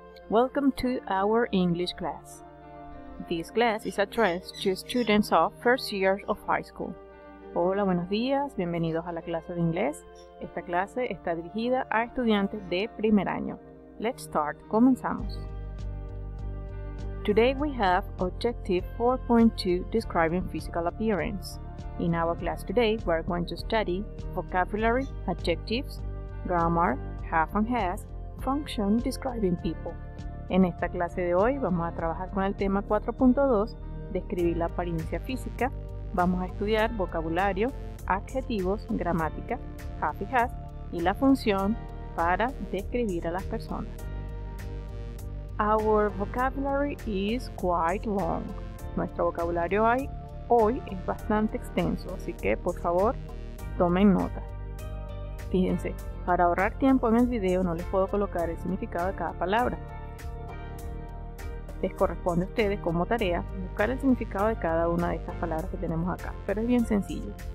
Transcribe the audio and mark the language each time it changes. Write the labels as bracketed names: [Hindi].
[English] Welcome to our English class. This class is addressed to students of first year of high school. [Spanish] Hola, buenos días. Bienvenidos a la clase de inglés. Esta clase está dirigida a estudiantes de primer año. [English] Let's start. [Spanish] Comenzamos. [English] Today we have objective 4.2 describing physical appearance. In our class today, we are going to study vocabulary, adjectives, grammar, have and has, function describing people. [Spanish] En esta clase de hoy vamos a trabajar con el tema 4.2, describir la apariencia física. Vamos a estudiar vocabulario, adjetivos, gramática, have and has y la función para describir a las personas. [English] Our vocabulary is quite long. [Spanish] Nuestro vocabulario hoy es bastante extenso, así que por favor tomen nota. Fíjense, para ahorrar tiempo en el video no les puedo colocar el significado de cada palabra. Les corresponde a ustedes como tarea buscar el significado de cada una de estas palabras que tenemos acá, pero es bien sencillo.